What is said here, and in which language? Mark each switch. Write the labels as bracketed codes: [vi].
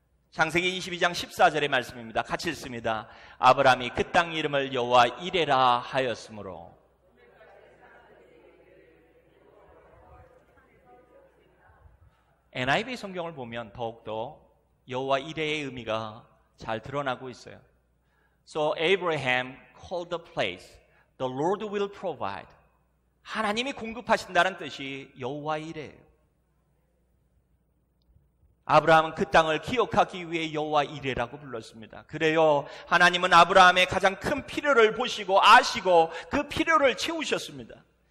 [ko] 창세기 22장 14절의 말씀입니다. 같이 읽습니다. 아브라함이 그 땅 이름을 여호와 이레라 하였으므로. NIV 성경을 보면 더욱더 여호와 이레의 의미가 잘 드러나고 있어요. [en] So Abraham called the place, the Lord will provide. [ko] 하나님이 공급하신다는 뜻이 여호와 이레예요. 아브라함은 그 땅을 기억하기 위해 여호와 이레라고 불렀습니다. 그래요, 하나님은 아브라함의 가장 큰 필요를 보시고 아시고 그 필요를 채우셨습니다.